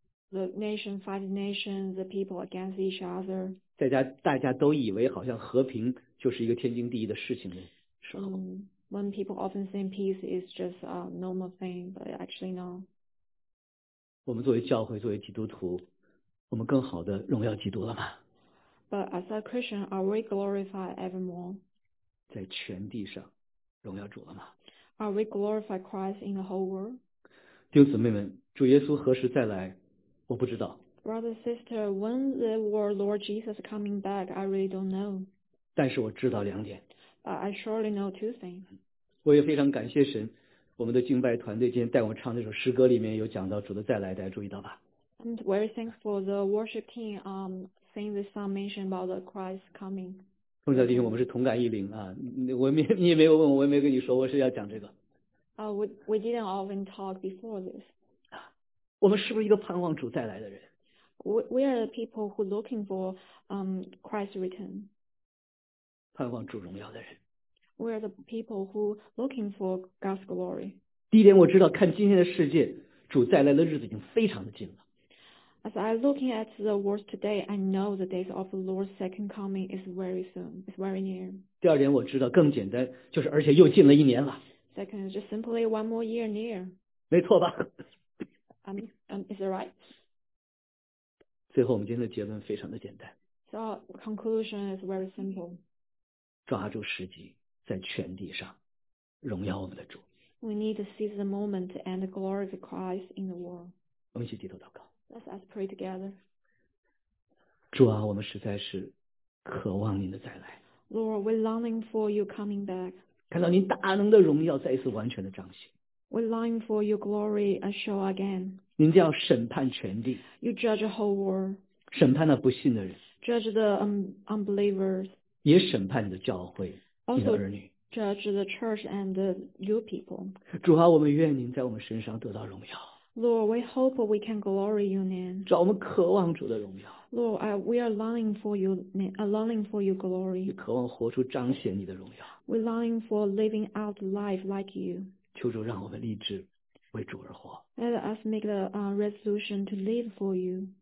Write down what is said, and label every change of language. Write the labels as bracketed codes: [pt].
[en] The nation fighting nation, the people against each other. [zh] 大家都以为好像和平就是一个天经地义的事情的时候。 [en] When people often say peace is just a normal thing, but actually no. [zh] 我们作为教会，作为基督徒，我们更好的荣耀基督了吗？ [en] But as a Christian, are we glorified evermore? [zh] 在全地上荣耀主了吗？ [en] Are we glorified Christ in the whole world? [zh] 弟兄姊妹们，主耶稣何时再来？我不知道。 [en] Brother, sister, when the word Lord Jesus coming back, I really don't know. [zh] 但是我知道两点。 [en] I surely know two things. [zh] 我也非常感谢神，我们的敬拜团队今天带我唱这首诗歌里面有讲到主的再来，大家注意到吧。 [en] I'm very thankful the worship team sing this song mentioned about the Christ coming. [zh] 同小弟兄，我们是同感一灵啊，你也没有问我，我也没跟你说，我是要讲这个。 [en] We didn't often talk before this. [zh] 我们是不是一个盼望主再来的人？ [en] We are the people who are looking for Christ's return. [zh] 盼望主荣耀的人。 [en] We are the people who are looking for God's glory. [zh] 第一点，我知道看今天的世界，主再来的日子已经非常的近了。 [en] As I'm looking at the world today, I know the days of the Lord's second coming is very soon. It's very near. [zh] 第二点，我知道更简单，就是而且又近了一年了。 [en] Second, just simply one more year near. [zh] 没错吧？ [en] Is it right? [zh] 最后，我们今天的结论非常的简单。 [en] So conclusion is very simple. [zh] 抓住时机，在全地上荣耀我们的主。 [en] We need to seize the moment and glorify Christ in the world. [zh] 我们一起低头祷告。 [en] Let us pray together. [zh] 主啊，我们实在是渴望您的再来。 [en] Lord, we're longing for you coming back. [zh] 看到您大能的荣耀再一次完全的彰显。 [en] We're longing for your glory and show again. [zh] 您就要审判全地。 [en] You judge the whole world. [zh] 审判那不信的人。 [en] Judge the unbelievers. [zh] 也审判你的教会，你的儿女。 [en] Also judge the church and the new people. [zh] 主啊，我们愿您在我们身上得到荣耀。 [en] Lord, we hope we can glory your name. [zh] 主啊，我们渴望主的荣耀。 [en] Lord, we are longing for you, longing for your glory. [zh] 你渴望活出彰显你的荣耀。 [en] We're longing for living out life like you. [zh] 求主让我们立志为主而活。 [en] Let us make the resolution to live for you.